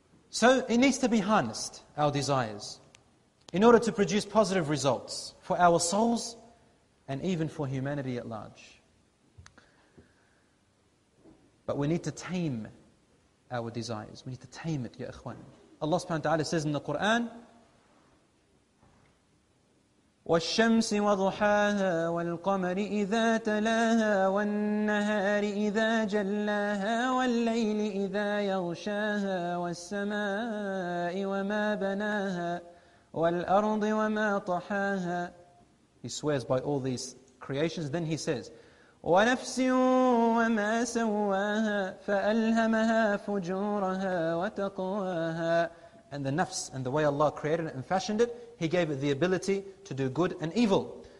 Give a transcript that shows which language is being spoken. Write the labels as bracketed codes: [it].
[en] So it needs to be harnessed, our desires, in order to produce positive results for our souls and even for humanity at large. But we need to tame our desires. We need to tame it, ya ikhwan. Allah subhanahu wa ta'ala says in the Qur'an, [ar] والشمس وضحاها والقمر إذا تلاها والنهار إذا جلاها والليل إذا يغشاها والسماء وما بناها والأرض وما طحاها. [en] He swears by all these creations. Then he says, [ar] ونفس وما سواها فألهمها فجورها وتقواها. [en] And the nafs, and the way Allah created it and fashioned it, He gave it the ability to do good and evil.